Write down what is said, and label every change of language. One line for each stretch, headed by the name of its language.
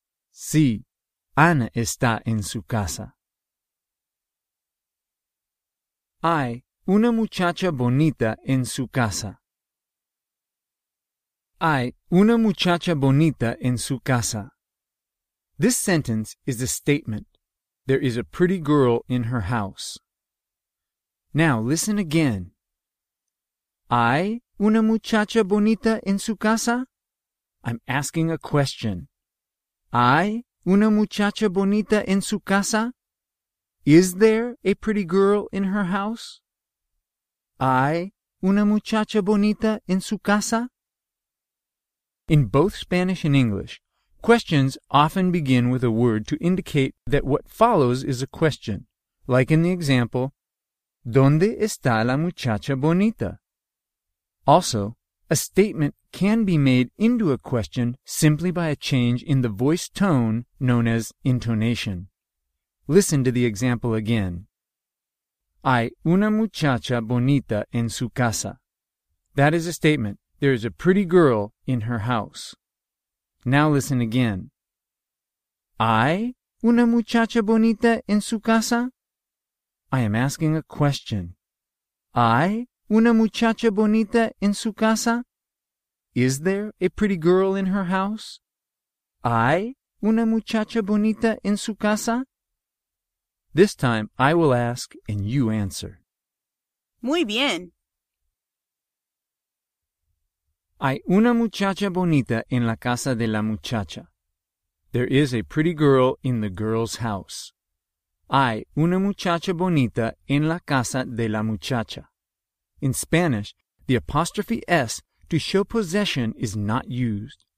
Spanish: Sí, Ana está en su casa. Hay una muchacha bonita en su casa. Hay una muchacha bonita en su casa.
English: This sentence is a statement. There is a pretty girl in her house. Now listen again.
Spanish: ¿Hay una muchacha bonita en su casa?
English: I'm asking a question.
Spanish: ¿Hay una muchacha bonita en su casa?
English: Is there a pretty girl in her house?
Spanish: ¿Hay una muchacha bonita en su casa?
English: In both Spanish and English, questions often begin with a word to indicate that what follows is a question, like in the example,
Spanish: ¿Dónde está la muchacha bonita?
English: Also, a statement can be made into a question simply by a change in the voice tone known as intonation. Listen to the example again.
Spanish: Hay una muchacha bonita en su casa.
English: That is a statement. There is a pretty girl in her house. Now listen again.
Spanish: ¿Hay una muchacha bonita en su casa?
English: I am asking a question.
Spanish: ¿Hay una muchacha bonita en su casa?
English: Is there a pretty girl in her house?
Spanish: ¿Hay una muchacha bonita en su casa?
English: This time I will ask and you answer.
Spanish: Muy bien. Hay una muchacha bonita en la casa de la muchacha.
English: There is a pretty girl in the girl's house.
Spanish: Hay una muchacha bonita en la casa de la muchacha.
English: In Spanish, the apostrophe S to show possession is not used.